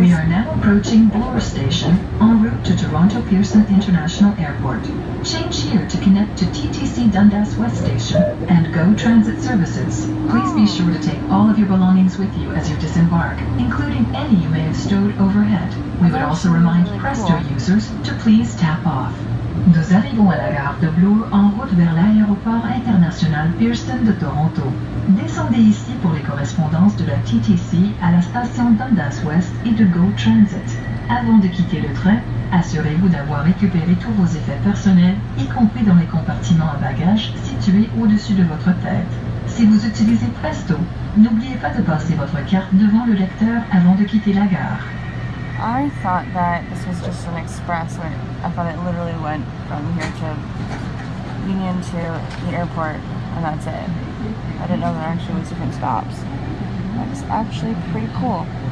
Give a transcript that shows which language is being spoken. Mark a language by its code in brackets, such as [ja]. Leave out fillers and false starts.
[en] We are now approaching Bloor Station, en route to Toronto Pearson International Airport. Change here to connect to TTC Dundas West Station and GO Transit Services. Please be sure to take all of your belongings with you as you disembark, including any you may have stowed overhead. We would also remind Presto users to please tap off. [fr] Nous arrivons à la gare de Bloor en route vers l'aéroport international Pearson de Toronto. Descendez ici pour les correspondances de la TTC à la station Dundas West et de GO Transit. Avant de quitter le train, Assurez-vous d'avoir récupéré tous vos effets personnels, y compris dans les compartiments à bagages situés au-dessus de votre tête. Si vous utilisez Presto, n'oubliez pas de passer votre carte devant le lecteur avant de quitter la gare. [en] I thought that this was just an express. I thought it literally went from here to Union to the airport, and that's it. I didn't know there actually was different stops. That's actually pretty cool.